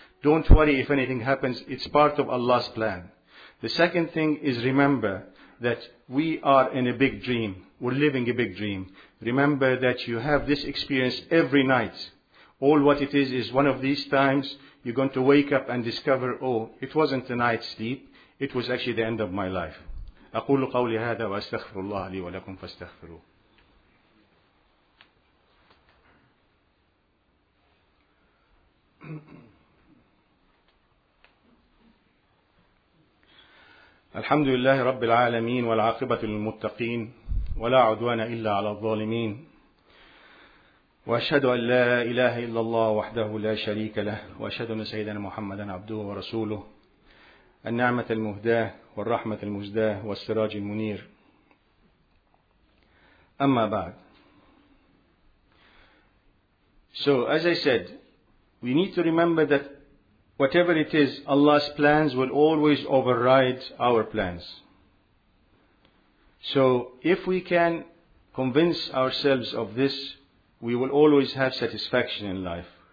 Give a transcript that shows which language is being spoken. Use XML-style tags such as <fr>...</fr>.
<en>Don't worry if anything happens. It's part of Allah's plan. The second thing is, remember that we are in a big dream. We're living a big dream. Remember that you have this experience every night. All what it is one of these times you're going to wake up and discover, oh, it wasn't a night's sleep. It was actually the end of my life.</en> <ar>أقول قولي هذا وأستغفر الله لي ولكم فاستغفروه. الحمد لله رب العالمين والعاقبة للمتقين ولا عدوان إلا على الظالمين وأشهد أن لا إله إلا الله وحده لا شريك له وأشهد أن سيدنا محمدا عبده ورسوله النعمة المهداة والرحمة المزداة والسراج المنير أما بعد.</ar> <en>So as I said, we need to remember that whatever it is, Allah's plans will always override our plans. So if we can convince ourselves of this, we will always have satisfaction in life.</en>